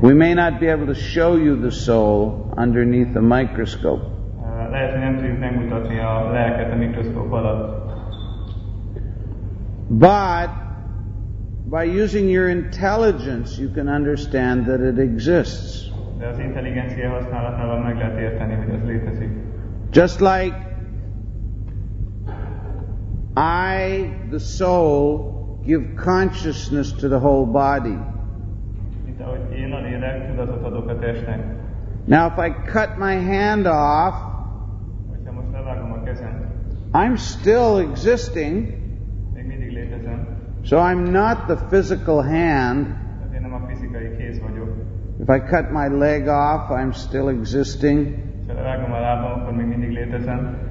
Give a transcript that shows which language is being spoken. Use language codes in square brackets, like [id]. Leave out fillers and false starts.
[en] We may not be able to show you the soul underneath a microscope. [hu] Lehet, hogy nem tudjuk megmutatni a lelket a mikroszkóp alatt. [en] But by using your intelligence, you can understand that it exists. [hu] De az intelligencia használatával meg lehet érteni, hogy ez létezik. [en] Just like I, the soul, give consciousness to the whole body. [hu] Mint ahogy én a lélek, tudatot adok a testnek. [en] Now if I cut my hand off, [hu] hogyha most levágom a kezem, [en] I'm still existing. [hu] Még mindig létezem. [en] So I'm not the physical hand. [hu] Én nem a fizikai kéz vagyok. [en] If I cut my leg off, I'm still existing. [hu] Ha levágom a lábam, akkor még mindig létezem.